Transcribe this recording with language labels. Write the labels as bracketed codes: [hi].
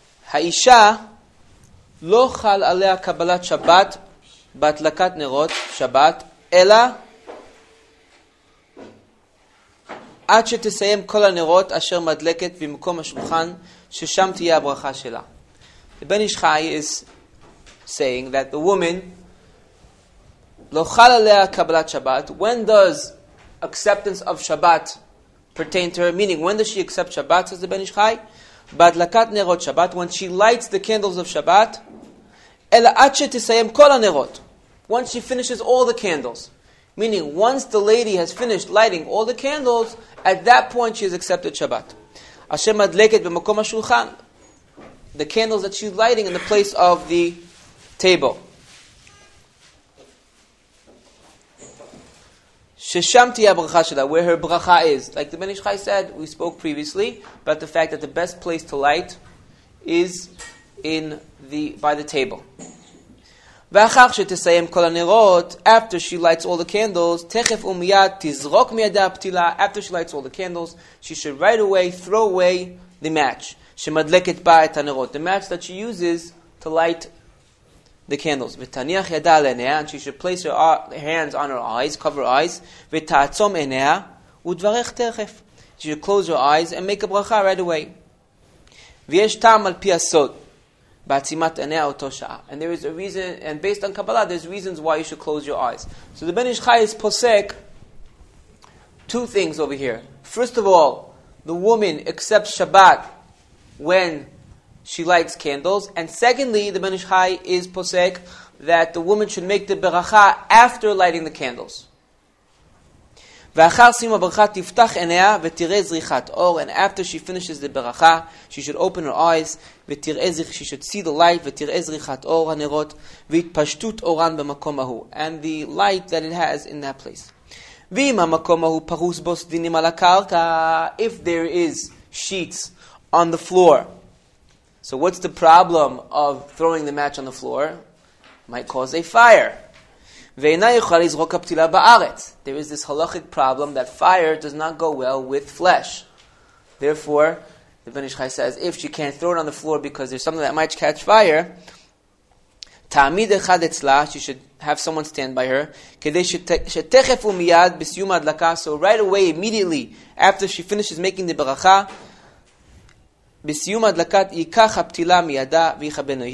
[he] האישה לא חל עליה קבלת שבת בהדלקת נרות שבת, אלא עד שתסיים כל הנרות אשר מדלקת במקום השולחן, ששם תהיה הברכה שלה. [en] The בן איש חי is saying that the woman [he] לא חל עליה קבלת שבת. [en] When does acceptance of Shabbat pertain to her? Meaning, when does she accept Shabbat, says the Ben Ish Chai? [he] בהדלקת נרות שבת, [en] when she lights the candles of Shabbat, [he] אלא עד שתסיים כל הנרות. [en] Once she finishes all the candles. Meaning, once the lady has finished lighting all the candles, at that point she has accepted Shabbat. [he] אשר מדלקת במקום השולחן. [en] The candles that she's lighting in the place of the table. [he] ששם תהיה הברכה שלה, [en] where her bracha is. Like the Ben Ish Chai said, we spoke previously, about the fact that the best place to light is in the by the table. [he] ואחר שתסיים כל הנרות, [en] after she lights all the candles, [he] תכף ומיד תזרוק מידה הפתילה, [en] after she lights all the candles, she should right away throw away the match, [he] שמדלקת בה את הנרות. [en] The match that she uses to light the candles, [he] ותניח ידה על עיניה, [en] and she should place her hands on her eyes, cover her eyes, [he] ותעצום עיניה, ודברך תרחף. [en] She should close her eyes and make a bracha right away. [he] ויש טעם על פי הסוד, בעצימת עיניה אותו שעה. [en] And there is a reason, and based on Kabbalah, there's reasons why you should close your eyes. So the Ben Ish Chai is posek two things over here. First of all, the woman accepts Shabbat when she lights candles. And secondly, the Ben Ish Chai is posek that the woman should make the beracha after lighting the candles. [he] ואחר סיום הברכה תפתח עיניה ותראה זריחת אור. [en] And after she finishes the beracha, she should open her eyes [he] ותראה, [en] she should see the light [he] ותראה זריחת אור הנרות והתפשטות אורן במקום ההוא. [en] And the light that it has in that place. [he] ואם המקום ההוא פרוס בו סדינים על הקרקע, [en] if there is sheets on the floor, so what's the problem of throwing the match on the floor? Might cause a fire. [he] ואינה יכולה לזרוק הפתילה בארץ. [en] There is this halachic problem that fire does not go well with flesh. Therefore, the Ben Ish Chai says, if she can't throw it on the floor because there's something that might catch fire, [he] תעמיד אחד אצלה, [en] she should have someone stand by her, [he] כדי שתכף ומיד בסיום ההדלקה, [en] so right away, immediately, after she finishes making the ברכה, [he] בסיום הדלקת ייקח הפתילה מידה ויכבנו.